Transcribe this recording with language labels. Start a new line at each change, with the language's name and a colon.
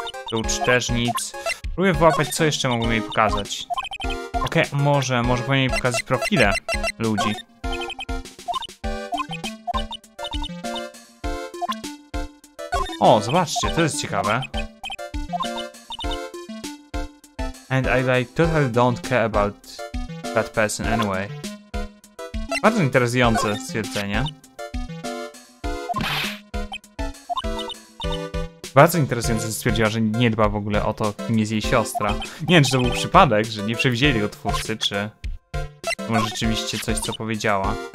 Polish: Tu też nic. Próbuję wyłapać, co jeszcze mogłem jej pokazać. Okej, okay, może powinien jej pokazać profile ludzi. O, zobaczcie, to jest ciekawe.
English: And I like totally don't care about that person anyway.
Polish: Bardzo interesujące stwierdzenie. Bardzo interesująco stwierdziła, że nie dba w ogóle o to, kim jest jej siostra. Nie wiem, czy to był przypadek, że nie przewidzieli tego twórcy, czy może rzeczywiście coś, co powiedziała.